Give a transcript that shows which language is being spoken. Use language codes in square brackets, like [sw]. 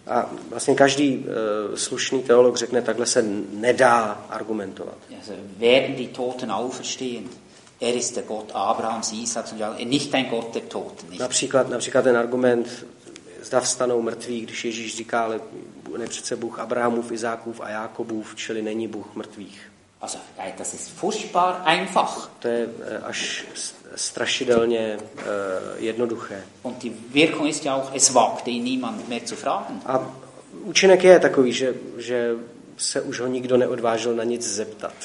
[cs] A vlastně každý slušný teolog řekne, takhle se nedá argumentovat. [de] Also, werden die Toten auferstehen? Er ist der Gott Abrahams, Isaaks und Jakobs, nicht ein Gott der Toten. Nicht. [cs] Například ten argument, zda vstanou mrtví, když Ježíš říká, ale ne přece Bůh Abrahamův, Izákův a Jakobův, čili není Bůh mrtvých. [de] Also, das ist furchtbar einfach. [cs] To je až strašidelně jednoduché. [de] Und die Wirkung ist ja auch, es wagte ihn niemand mehr zu fragen. [cs] A účinek je takový, že se už ho nikdo neodvážil na nic zeptat.